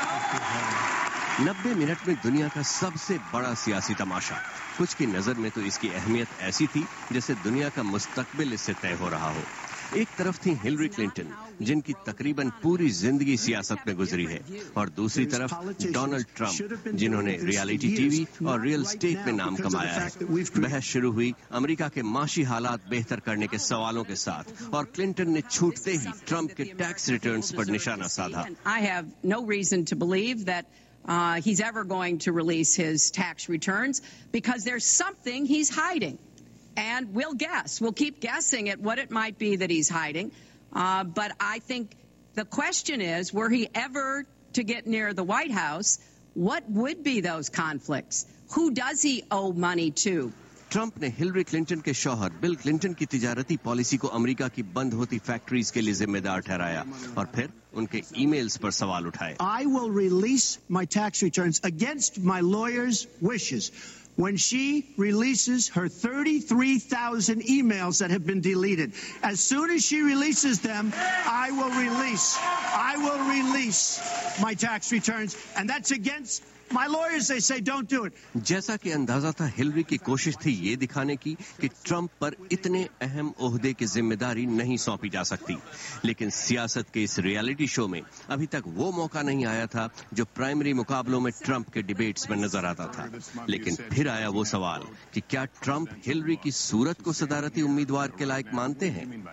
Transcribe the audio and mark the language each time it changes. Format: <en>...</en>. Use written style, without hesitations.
<ur>90 minute میں دنیا کا سب سے بڑا سیاسی تماشا، کچھ کی نظر میں تو اس کی اہمیت ایسی تھی جیسے دنیا کا مستقبل اس سے طے ہو رہا ہو۔ ایک طرف تھی ہلری کلنٹن جن کی تقریباً پوری زندگی سیاست میں گزری ہے، اور دوسری طرف ڈونلڈ ٹرمپ جنہوں نے ریالٹی ٹی وی اور ریئل اسٹیٹ میں نام کمایا ہے۔ بحث شروع ہوئی امریکہ کے معاشی حالات بہتر کرنے کے سوالوں کے ساتھ، اور کلنٹن نے چھوٹتے ہی ٹرمپ کے ٹیکس ریٹرنز پر نشانہ سادھا۔</ur> <en>He's ever going to release his tax returns because there's something he's hiding, and we'll guess, we'll keep guessing at what it might be that he's hiding, but I think the question is, were he ever to get near the White House, what would be those conflicts? Who does he owe money to?</en> <ur>Trump نے Hillary Clinton کے شوہر Bill Clinton کی تجارتی policy کو امریکہ کی بند ہوتی factories کے لیے ذمہ دار ٹھہرایا، اور پھر ان کے ای میلز پر سوال اٹھائے۔</ur> <en>I will release my tax returns against my lawyer's wishes. When she releases her 33,000 emails that have been deleted, as soon as she releases them, I will release my tax returns, and that's against My lawyers, they say, don't do it.</en> <ur>جیسا کہ اندازہ تھا، Hillary کی کوشش تھی یہ دکھانے کی کہ ٹرمپ پر اتنے اہم عہدے کی ذمہ داری نہیں سونپی جا سکتی، لیکن سیاست کے اس ریالٹی شو میں ابھی تک وہ موقع نہیں آیا تھا جو پرائمری مقابلوں میں ٹرمپ کے ڈیبیٹس میں نظر آتا تھا۔ لیکن پھر آیا وہ سوال کہ کیا ٹرمپ ہلری کی صورت کو صدارتی امیدوار کے لائق مانتے ہیں؟</ur>